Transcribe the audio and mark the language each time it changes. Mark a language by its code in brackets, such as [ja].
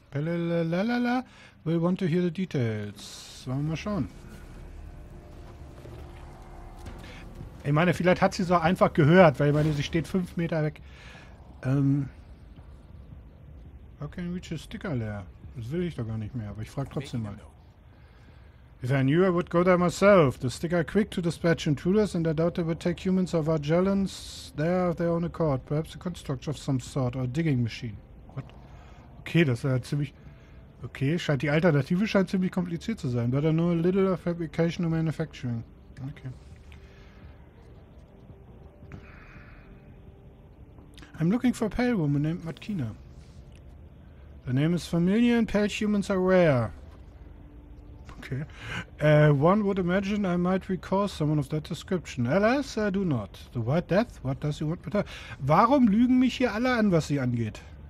[en] Pelalalala, we want to hear the details. [de] Wollen wir mal schauen. Ich meine, vielleicht hat sie so einfach gehört, weil ich meine, sie steht 5 Meter weg. [en] How can we reach a sticker there? [de] Das will ich doch gar nicht mehr, aber ich frage trotzdem mal. [en] If I knew, I would go there myself. The sticker quick to dispatch intruders, and I doubt they would take humans or Vargellans there of their own accord. Perhaps a construct of some sort or a digging machine. What? Okay, [de] das ist ja ziemlich. Okay, scheint die Alternative scheint ziemlich kompliziert zu sein. [en] Better know a little of fabrication and manufacturing. Okay. I'm looking for a pale woman named Matkina. The name is familiar, and pale humans are rare. Okay. One would imagine I might recall someone of that description. Alas, I do not. The White Death? What does he want with her? [de] Warum lügen mich hier alle an, was sie angeht?